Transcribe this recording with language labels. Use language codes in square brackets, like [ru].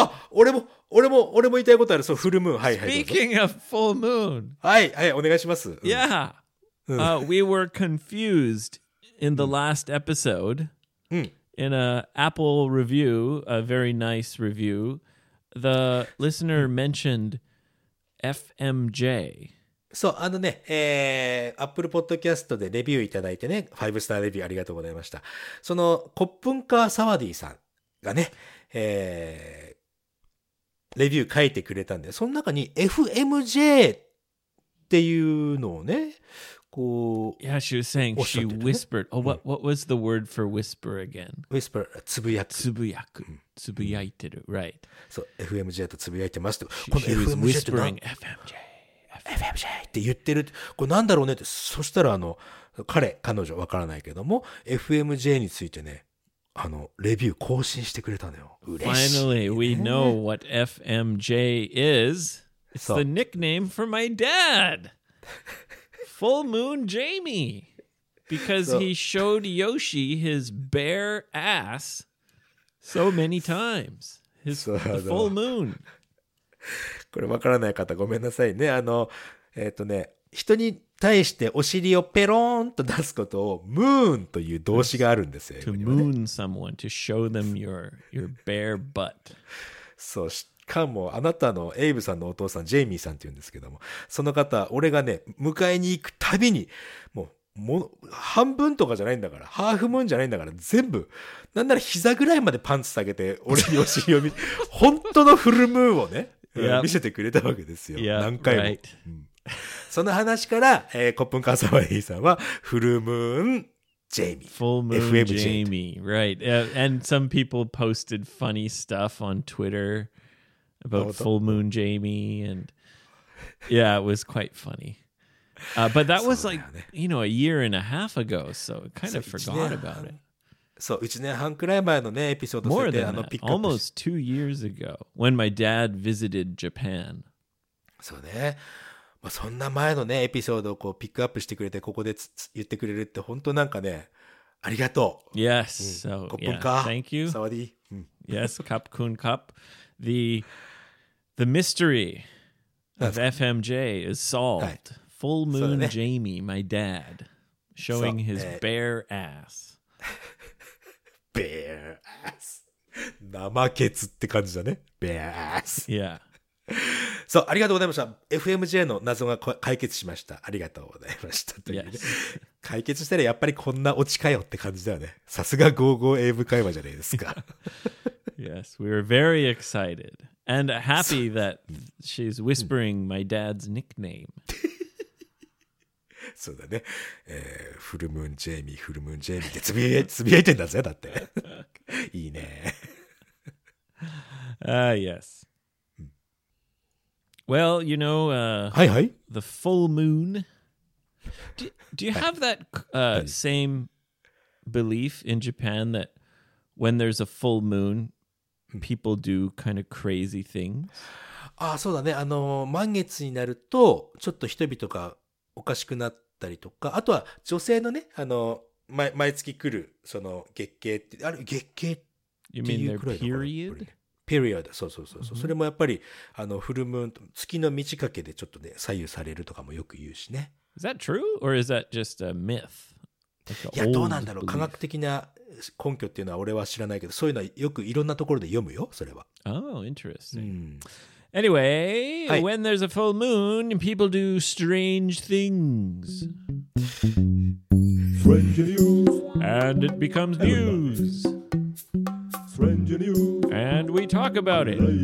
[ja] 俺も言いたいことある。そう、フルムーン、はいはい、 [en] Speaking of full moon、 [ja] はいはい、お願いします。 [en] Yeah、 we were confused in the last episode、 in a Apple review, a very nice review, the listener mentioned FMJ。 [ja] そう、あのね、Apple Podcast でレビューいただいてね、5スターレビューありがとうございました。そのコップンカーサワディさんがね、レビュー書いてくれたんで、その中に FMJ っていうのをね、こう、 [en] Yeah, she was saying she whispered. Oh, what was the word for whisper again? [ja] Whisper, つぶやく。つぶやく。つぶやいてる、right. そう、FMJ とつぶやいてますと。この FMJ って何? [en] She was whispering FMJ. [ja] FMJ って言ってる、これなんだろうねって。そしたらあの彼女わからないけども、 FMJ についてね、あのレビュー更新してくれたのよ。嬉しい、ね、 [en] Finally we know what FMJ is. It's the nickname for my dad. Full Moon Jamie. Because he showed Yoshi his bare ass so many times. His, the full moon. [ja] これ分からない方ごめんなさいね。あの、ね、人に対してお尻をペロンと出すことをムーンという動詞があるんですよ。 [en] To moon someone, to show them your bare butt. [ja] そう、しかもあなたのエイブさんのお父さん、ジェイミーさんっていうんですけども、その方、俺がね、迎えに行くたびに、もう半分とかじゃないんだから、ハーフムーンじゃないんだから、全部なんなら膝ぐらいまでパンツ下げて俺にお尻を見本当のフルムーンをね、yep. 見せてくれたわけですよ、yep. 何回も、right. うん、その話から、コップンカーサワディさんはフルムーンジェイミー、フルムーン FMJ ジェイミー、 right. [en] And some people posted funny stuff on Twitter about full moon Jamie, and yeah, it was quite funnyBut that was like, you know, a year and a half ago, so I kind of forgot about it. [ja] So, 1年半くらい前のね、エピソード [en] して、More than that, almost 2 years ago, when my dad visited Japan. [ja] そうね。まあ、そんな前のね、エピソードをこうピックアップしてくれて、ここで言ってくれるって、本当なんかね、ありがとう。 [en] Yes, so, yeah, thank you. [ja] サワディ。 [en] Yes, Cup Kun Cup. The mystery of FMJ is solved.、はいFull Moon、ね、Jamie, my dad, showing his、bare ass. Bare ass. [ja] 怠けつって感じだね。 [en] Bare ass. Yeah. [ja] そう、ありがとうございました。FMJ の謎が解決しました。ありがとうございました。 [en] Yes. [ja] 解決したらやっぱりこんなオチかよって感じだよね。さすがゴーゴー英語会話じゃないですか。 [en] Yes, we are very excited and happy that she's whispering my dad's nickname. [ja] そうだね、フルムーンジェイミー、フルムーンジェイミーってつぶやいてんだぜ、だって。いいね。 [en] Ah, yes. Well, you know,、 [ja] はいはい、 [en] the full moon. Do you have that、はい、same belief in Japan that when there's a full moon, people do kind of crazy things? [ja] Ah, そうだね。満月になると、ちょっと人々がおかしくなって、あとは女性のね、毎月来るその月経って、あれ月経っていうくらいの [en] か、 period? [ja] period、 そうそうそう、mm-hmm. それもやっぱりあのフルムーン、月の満ち欠けでちょっとね左右されるとかもよく言うしね。 [en] Is that true? Or is that just a myth? [ja] いや、どうなんだろう、科学的な根拠っていうのは俺は知らないけど、そういうのはよくいろんなところで読むよ、それは。 [en] Oh, interesting、うん、Anyway,、はい、when there's a full moon, people do strange things. Strange news. And it becomes news. Strange news. And we talk about it.